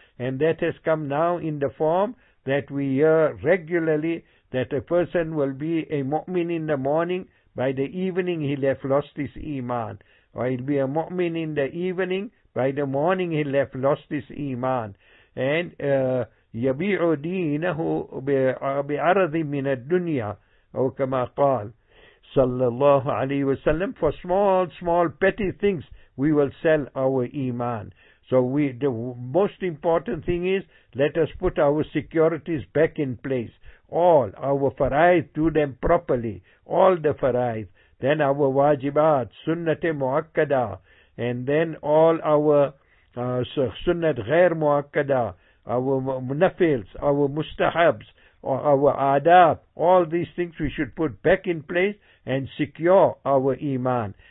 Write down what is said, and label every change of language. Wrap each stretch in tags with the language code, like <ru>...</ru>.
<en>And that has come now in the form that we hear regularly, that a person will be a mu'min in the morning, by the evening he'll have lost his iman. Or he'll be a mu'min in the evening, by the morning he'll have lost his iman.</en> <ar>And يَبِيعُ دِينَهُ بِعَرَضٍ مِّنَ الدُّنْيَا أو كما قال صلى الله عليه وسلم.</ar> <en>For small, small, petty things, we will sell our iman. So the most important thing is, let us put our securities back in place. All our faraid, do them properly. All the faraid. Then our wajibat, sunnat muakkada, and then all our sunnat ghair muakkada, our munafils, our mustahabs, our adab, all these things we should put back in place and secure our iman.</en>